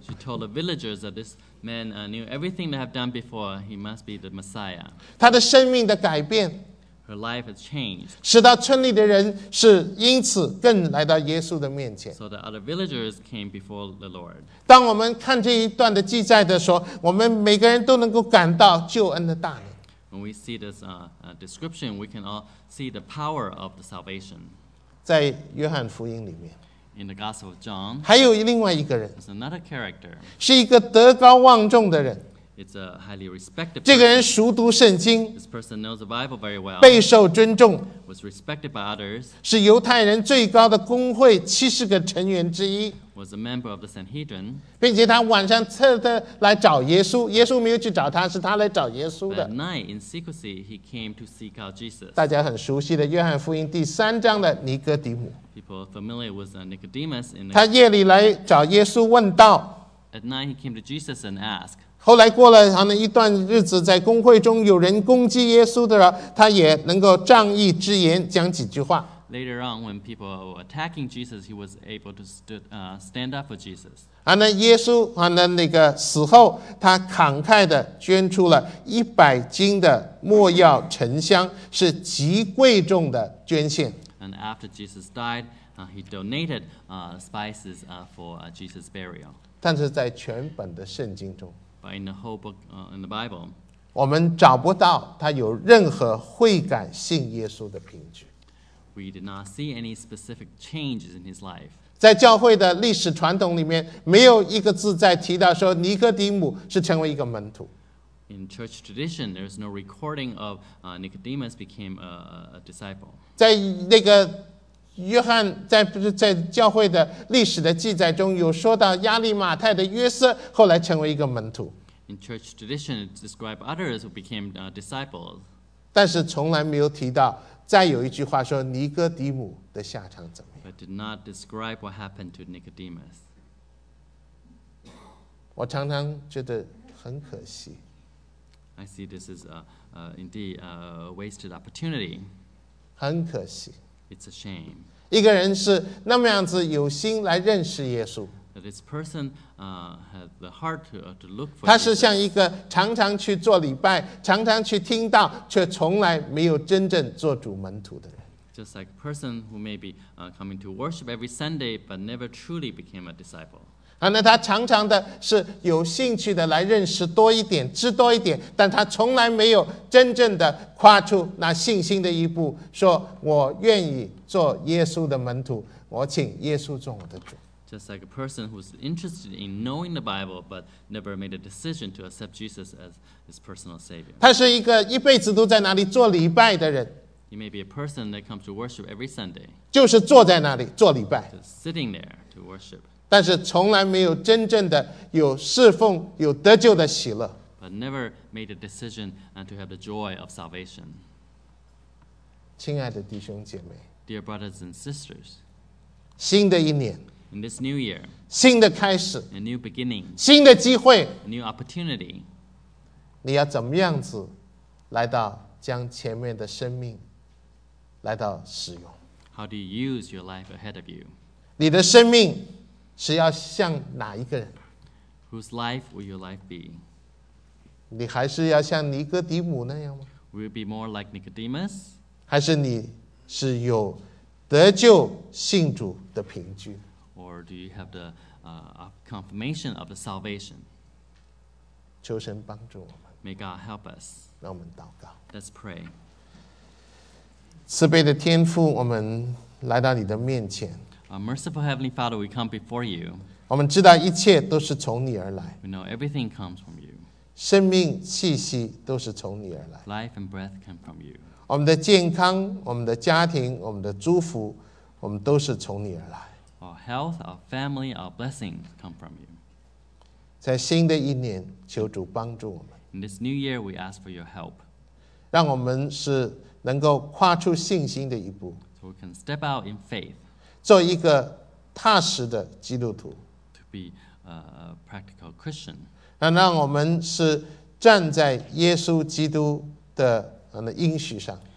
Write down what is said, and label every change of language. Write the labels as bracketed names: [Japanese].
[English] She told the villagers that this man knew everything they have done before. He must be the Messiah. [Chinese] 她的生命的改变。 [English] Her life has changed. [Chinese] 使到村里的人是因此更来到耶稣的面前。 [English] So the other villagers came before the Lord. [Chinese] 当我们看这一段的记载的时候，我们每个人都能够感到救恩的大能。 [English] When we see this description, we can all see the power of the salvation. [Chinese] 在约翰福音里面。 [English] In the Gospel of John. [Chinese] 还有另外一个人。 [English] It's another character. [Chinese] 是一个德高望重的人。 [English] It's a highly respected person. [Chinese] 这个人熟读圣经。 [English] This person knows the Bible very well. [Chinese] 备受尊重。 [English] Was respected by others. [Chinese] 是犹太人最高的公会七十个成员之一。 [English] Was a member of the Sanhedrin. [Chinese] 并且他晚上特地来找耶稣，耶稣没有去找他，是他来找耶稣的。 [English] At night, in secrecy, he came to seek out Jesus. [Chinese] 大家很熟悉的约翰福音第三章的尼哥底母。 [English] People are familiar with Nicodemus. [Chinese] 他夜里来找耶稣问道。 [English] At night, he came to Jesus and asked. [Chinese] 后来过了一段日子，在公会中有人攻击耶稣的时候，他也能够仗义之言讲几句话。 [English] Later on, when people were attacking Jesus, he was able to stand up for Jesus. [Chinese] 那耶稣那个死后，他慷慨地捐出了100斤的没药沉香，是极贵重的捐献。 [English] And after Jesus died, he donated spices for Jesus' burial. [Chinese] 但是在全本的圣经中。 [English] But in the whole book, in the Bible, [Chinese] 我们找不到他有任何悔改信耶稣的凭据。 [English] We did not see any specific changes in his life. [Chinese] 在教会的历史传统里面，没有一个字在提到说尼哥底母是成为一个门徒。 [English] In church tradition, there is no recording of Nicodemus became a disciple. [Chinese] 在那个约翰 在教会的历史的记载中有说到亚利马太的约瑟后来成为一个门徒。 [English] In church tradition, it describes others who became disciples. [Chinese] 但是从来没有提到再有一句话说尼哥底母的下场怎么样。 [English] But did not describe what happened to Nicodemus. [Chinese] 我常常觉得很可惜。 [English] I see this is indeed a wasted opportunity. [Chinese] 很可惜。 [English] It's a shame. [Chinese] 一个人是那么样子有心来认识耶稣。 [English] That this person had the heart to look for. [Chinese] 他是像一个常常去做礼拜、常常去听到，却从来没有真正做主门徒的人。 [English] Just like a person who may be coming to worship every Sunday, but never truly became a disciple. [Chinese] 那他常常的是有兴趣的来认识多一点、知多一点，但他从来没有真正的跨出那信心的一步，说我愿意做耶稣的门徒，我请耶稣做我的主。 [English] Just like a person who's interested in knowing the Bible but never made a decision to accept Jesus as his personal savior. [Chinese] 他是一个一辈子都在哪里做礼拜的人。 [English] He may be a person that comes to worship every Sunday. [Chinese] 就是坐在那里做礼拜。 [English] Just sitting there to worship. [Chinese] 但是从来没有真正的有侍奉有得救的喜乐。 [English] But never made a decision and to have the joy of salvation. [Chinese] 亲爱的弟兄姐妹。 [English] Dear brothers and sisters. [Chinese] 新的一年。 [English] In this new year. [Chinese] 新的开始。 [English] A new beginning. [Chinese] 新的机会。 [English] A new opportunity. [Chinese] 你要怎么样子来到将前面的生命来到使用。 [English] How do you use your life ahead of you? [Chinese] 你的生命是要像哪一个人？ [English] Whose life will your life be? [Chinese] 你还是要像尼哥底母那样吗？ [English] Will you be more like Nicodemus? [Chinese] 还是你是有得救信主的凭据？ [English] Or do you have the confirmation of the salvation? [Chinese] 求神帮助我们。 [English] May God help us. [Chinese] 让我们祷告。 [English] Let's pray. [Chinese] 慈悲的天父，我们来到你的面前。 [English] Merciful Heavenly Father, we come before you. [Chinese] 我们知道一切都是从你而来。 [English] We know everything comes from you. [Chinese] 生命气息都是从你而来。 [English] Life and breath come from you. [Chinese] 我们的健康，我们的家庭，我们的祝福，我们都是从你而来。 [English] Our health, our family, our blessings come from you. [Chinese] 在新的一年，求主帮助我们。 [English] In this new year, we ask for your help. [Chinese] 让我们是能够跨出信心的一步 [English] so we can step out in faith, [Chinese] 做一个踏实的基督徒 [English] to be a practical Christian, [Chinese] 让我们是站在耶稣基督的应许上